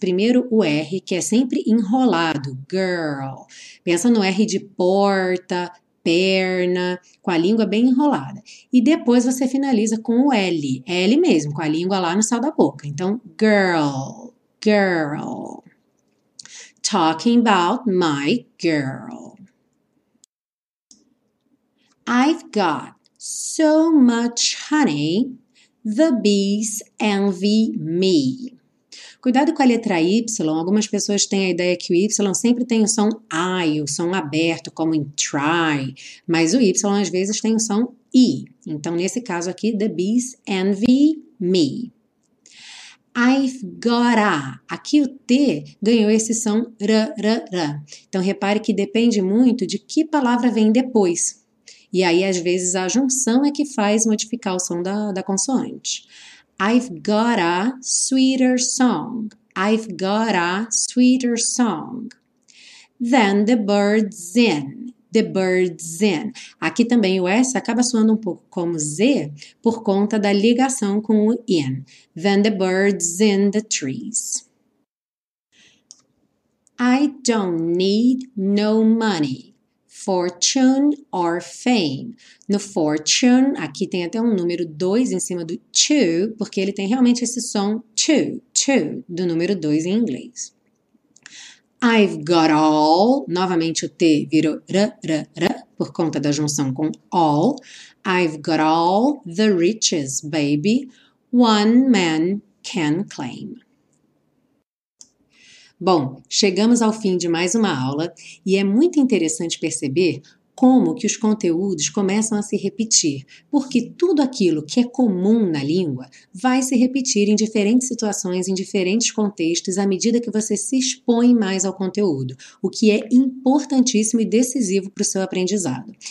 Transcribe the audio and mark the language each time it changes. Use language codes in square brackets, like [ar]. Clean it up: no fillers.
[pt] Primeiro o R, que é sempre enrolado, girl. Pensa no R de porta, perna, com a língua bem enrolada. E depois você finaliza com o L, L mesmo, com a língua lá no céu da boca. [en] Então, girl, girl. Talking about my girl. I've got So much honey, the bees envy me. [pt] Cuidado com a letra Y. Algumas pessoas têm a ideia que o Y sempre tem o som I, o som aberto, como em try. Mas o Y, às vezes, tem o som I. Então, nesse caso aqui, [en] the bees envy me. I've gotta. [pt] Aqui o T ganhou esse som r, r, r. Então, repare que depende muito de que palavra vem depois. E aí, às vezes, a junção é que faz modificar o som da consoante. [en] I've got a sweeter song. I've got a sweeter song. Then the birds in. The birds in. [pt] Aqui também o S acaba soando um pouco como Z por conta da ligação com o in. [en] Then the birds in the trees. I don't need no money. Fortune or fame. [pt] No fortune, aqui tem até um número 2 em cima do to, porque ele tem realmente esse som to, to, do número 2 em inglês. [en] I've got all, [pt] novamente o T virou r, r, r, por conta da junção com all. [en] I've got all the riches, baby, one man can claim. [pt] Bom, chegamos ao fim de mais uma aula e é muito interessante perceber como que os conteúdos começam a se repetir, porque tudo aquilo que é comum na língua vai se repetir em diferentes situações, em diferentes contextos, à medida que você se expõe mais ao conteúdo, o que é importantíssimo e decisivo para o seu aprendizado.